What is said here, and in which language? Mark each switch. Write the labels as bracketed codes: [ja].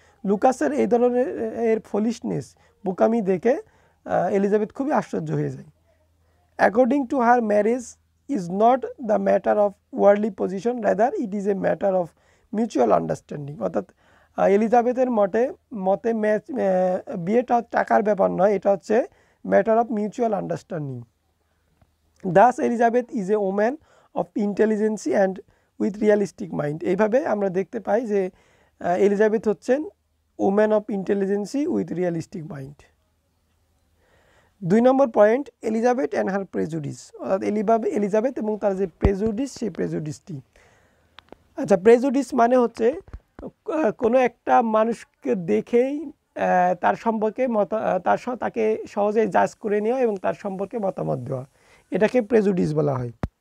[bn] লুকাসের এই ধরনের এর ফলিশনেস বোকামি দেখে এলিজাবেথ খুবই আশ্চর্য হয়ে যায়। [en] According to her marriage is not the matter of worldly position, rather it is a matter of mutual understanding. [bn] অর্থাৎ এলিজাবেথের মতে বিয়েটা টাকার ব্যাপার নয়, এটা হচ্ছে [en] matter of mutual understanding. Thus, Elizabeth is a woman of intelligence and with realistic mind. [bn] এইভাবে আমরা দেখতে পাই যে এলিজাবেথ হচ্ছেন [en] Woman of intelligency with realistic mind. [bn] দুই নম্বর point, [en] Elizabeth and her prejudice, [bn] অর্থাৎ এলিজাবেথ এবং তার যে প্রেজুডিস, সেই প্রেজুডিসটি। আচ্ছা, প্রেজুডিস মানে হচ্ছে কোনো একটা মানুষকে দেখেই তার সম্পর্কে মত, তার তাকে সহজে জাজ করে নেওয়া এবং তার সম্পর্কে মতামত দেওয়া, এটাকে প্রেজুডিস বলা হয়।